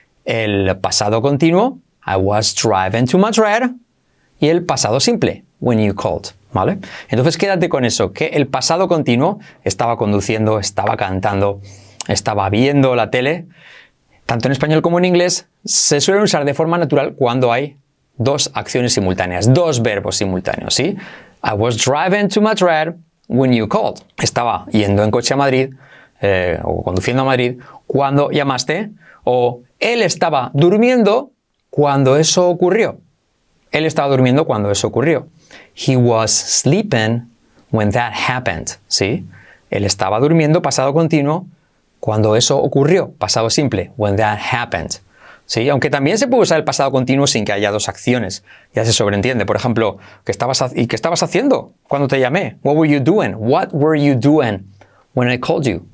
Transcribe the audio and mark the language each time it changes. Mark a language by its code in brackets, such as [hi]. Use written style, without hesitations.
[es] El pasado continuo, [en] I was driving to Madrid, [es] y el pasado simple, [en] when you called, [es] ¿vale? Entonces quédate con eso, que el pasado continuo, estaba conduciendo, estaba cantando, estaba viendo la tele, tanto en español como en inglés, se suele usar de forma natural cuando hay dos acciones simultáneas, dos verbos simultáneos, ¿sí? [en] I was driving to Madrid when you called. [es] Estaba yendo en coche a Madrid, o conduciendo a Madrid, cuando llamaste. O él estaba durmiendo cuando eso ocurrió. Él estaba durmiendo cuando eso ocurrió. [en] He was sleeping when that happened, [es] ¿sí? Él estaba durmiendo, pasado continuo, cuando eso ocurrió, pasado simple, [en] when that happened. [es] Sí, aunque también se puede usar el pasado continuo sin que haya dos acciones. Ya se sobreentiende. Por ejemplo, ¿qué estabas haciendo cuando te llamé? [en] What were you doing? What were you doing when I called you?